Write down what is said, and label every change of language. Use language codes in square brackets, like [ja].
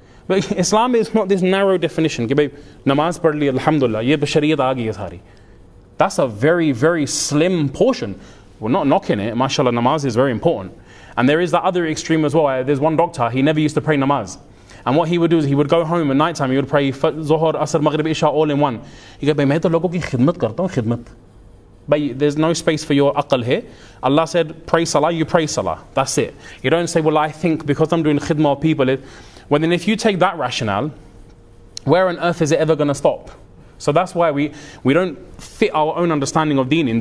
[en] But Islam is not this narrow definition. [ur] نماز پڑھ لی، الحمدللہ، یہ بشریت آ گئی ہے ساری. [en] That's a very, very slim portion. We're not knocking it, mashallah, namaz is very important. And there is that other extreme as well. There's one doctor, he never used to pray namaz. And what he would do is he would go home at night time, he would pray Zuhur, Asr, Maghrib, Isha, all in one. He goes, [ur] میں تو لوگوں کی خدمت کرتا ہوں، خدمت. [en] But there's no space for your aql here. Allah said, pray salah, you pray salah. That's it. You don't say, well, I think because I'm doing khidmat of people, well then if you take that rationale, where on earth is it ever going to stop? So that's why we don't fit our own understanding of deen in.